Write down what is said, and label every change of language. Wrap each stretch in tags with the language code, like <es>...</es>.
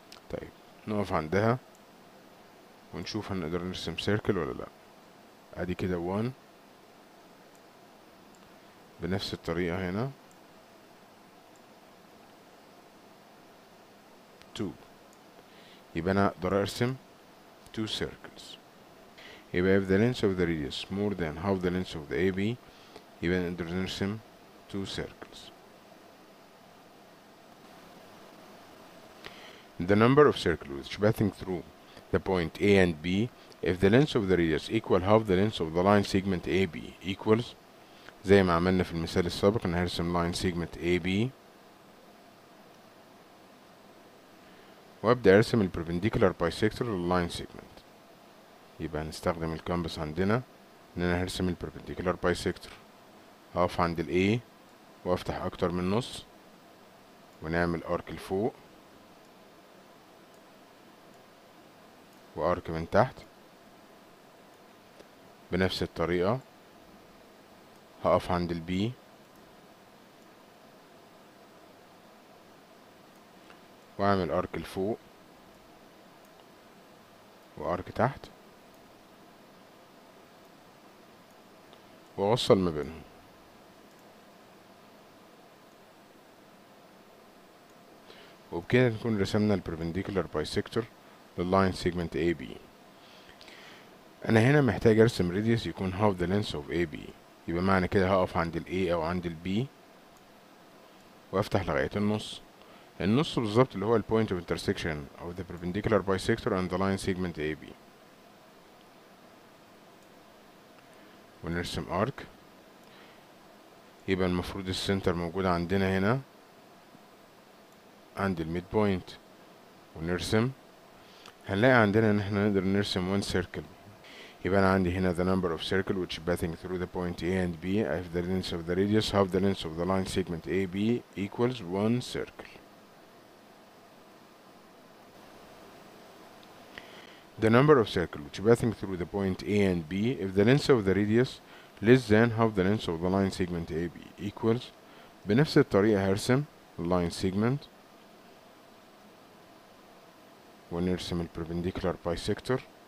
<ar>طيب نقف عندها ونشوف هنقدر نرسم سيركل ولا لا. ادي كده 1 بنفس الطريقة هنا 2. يبقى انا اقدر ارسم 2 circles.</ar> <en>يبقى if the length of the radius more than half the length of the AB</en> <ar>يبقى نقدر نرسم</ar> <en>2 circles. The number of circles which passing through the point A and B if the length of the radius equal half the length of the line segment AB equals</en> <ar>زي ما عملنا في المثال السابق انا هرسم line segment AB وابدا ارسم البربنديكولار بايسيكتور للاين سيجمنت. يبقى هنستخدم الكامبس عندنا ان انا هرسم البربنديكولار بايسيكتور. اقف عند الاي وافتح اكتر من نص ونعمل ارك لفوق وارك من تحت بنفس الطريقه. هقف عند البي واعمل ارك لفوق وارك تحت واوصل ما بينهم. وبكده نكون رسمنا البربنديكولار بايسيكتور للاين سيجمنت اي بي. انا هنا محتاج ارسم radius يكون</ar> <en>half the length of AB.</en> <ar>يبقى معنى كده هقف عند الاي او عند البي وافتح لغاية النص. النص بالظبط اللي هو</ar> <en>point of intersection of the perpendicular bisector and the line segment AB.</en> <ar>ونرسم arc. يبقى المفروض السنتر موجود عندنا هنا عند الميد بوينت. ونرسم هنلاقي عندنا ان احنا نقدر نرسم one circle.</ar> <en>يبقى انا عندي هنا the number of circle which passing through the point A and B, if the length of the radius half the length of the line segment AB equals 1 circle. The number of circle which passing through the point A and B, if the length of the radius less than half the length of the line segment AB equals,</en> <ar>بنفس الطريقة هرسم</ar> <en>line segment ونرسم ال perpendicular bisector.</en>